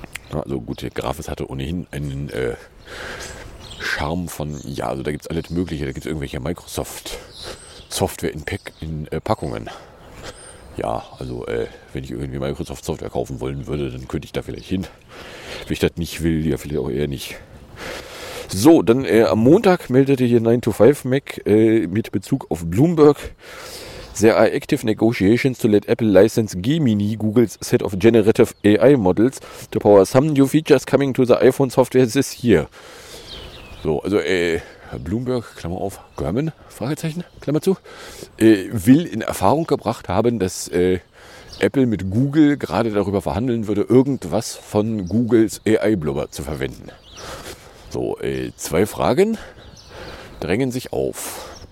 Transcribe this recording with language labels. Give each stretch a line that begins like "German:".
German: Also gut, der Graphis hatte ohnehin einen Charme von, ja, also da gibt es alles Mögliche, da gibt es irgendwelche Microsoft-Software in Packungen. Ja, also wenn ich irgendwie Microsoft-Software kaufen wollen würde, dann könnte ich da vielleicht hin. Wenn ich das nicht will, ja vielleicht auch eher nicht. So, dann am Montag meldete hier 9to5Mac mit Bezug auf Bloomberg.
English: There are active negotiations to let Apple license Gemini, Google's set of generative AI models, to power some new features coming to the iPhone software this year.
German: So, also Bloomberg, Klammer auf, German, Fragezeichen, Klammer zu, will in Erfahrung gebracht haben, dass Apple mit Google gerade darüber verhandeln würde, irgendwas von Googles AI-Blubber zu verwenden. So, zwei Fragen drängen sich auf.